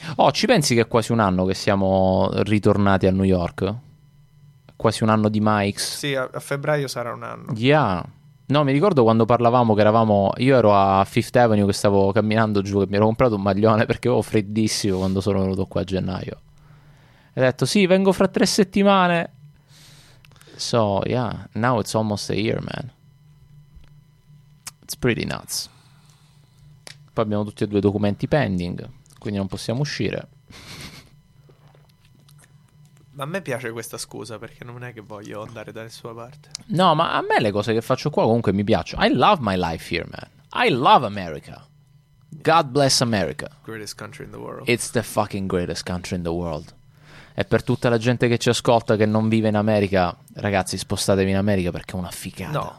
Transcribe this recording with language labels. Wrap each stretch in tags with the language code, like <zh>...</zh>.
<it>Oh, ci pensi che è quasi un anno che siamo ritornati a New York? Quasi un anno di Mike's? Sì, a febbraio sarà un anno. Yeah. No, mi ricordo quando parlavamo che eravamo... Io ero a Fifth Avenue che stavo camminando giù, che mi ero comprato un maglione perché avevo freddissimo quando sono venuto qua a gennaio. E ho detto, sì, vengo fra 3 settimane.</it> <en>So, yeah, now it's almost a year, man. It's pretty nuts.</en> <it>Abbiamo tutti e due documenti pending, quindi non possiamo uscire. Ma a me piace questa scusa, perché non è che voglio andare da nessuna parte. No, ma a me le cose che faccio qua comunque mi piacciono.</it> <en>I love my life here, man. I love America. God bless America. Greatest country in the world. It's the fucking greatest country in the world.</en> <it>E per tutta la gente che ci ascolta che non vive in America, ragazzi, spostatevi in America perché è una figata.</it>